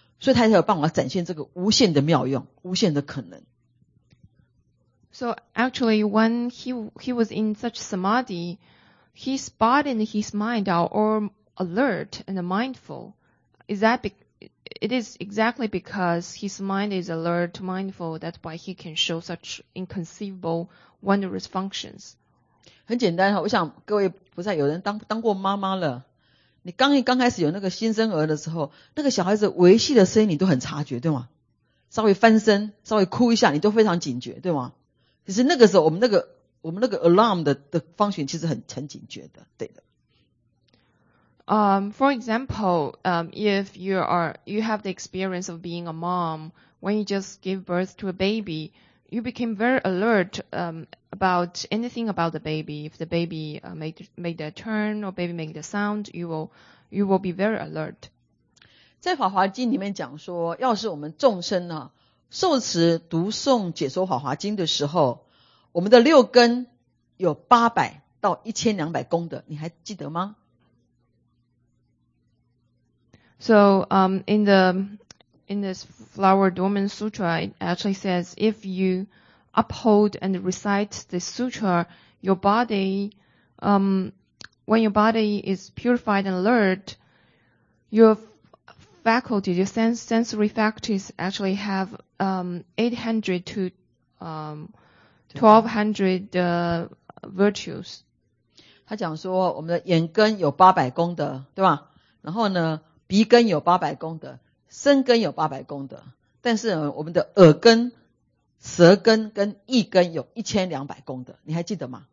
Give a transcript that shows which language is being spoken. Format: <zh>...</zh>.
<zh>所以他才有办法展现这个无限的妙用，无限的可能。</zh> <en>So actually, when he was in such samadhi, his body and his mind are all alert and mindful. Is that because it is exactly because his mind is alert, mindful, that's why he can show such inconceivable, wondrous functions.</en> <zh>很简单，我想各位不再有人当过妈妈了。你刚开始有那个新生儿的时候，那个小孩子微细的声音你都很察觉，对吗？稍微翻身，稍微哭一下，你都非常警觉，对吗？其实那个时候我们那个 alarm 的 function 其实很警觉的，对的。</zh> <en>For example, if you have the experience of being a mom, when you just give birth to a baby, you became very alert, about anything about the baby. If the baby made a turn or baby made a sound, you will be very alert.</en> <zh>在法华经里面讲说，要是我们众生啊，受持读诵解说法华经的时候，我们的六根有800到1200功德，你还记得吗？</zh> <en>So, in this Flower Dormant Sutra, it actually says if you uphold and recite this sutra, your body, when your body is purified and alert, your faculty, your sensory faculties actually have, 800 to, 1200, virtues.</en> <zh>他讲说我们的眼根有800功德，对吧？然后呢，鼻根有800功德，身根有800功德，但是我们的耳根、舌根跟意根有1200功德，你还记得吗？</zh>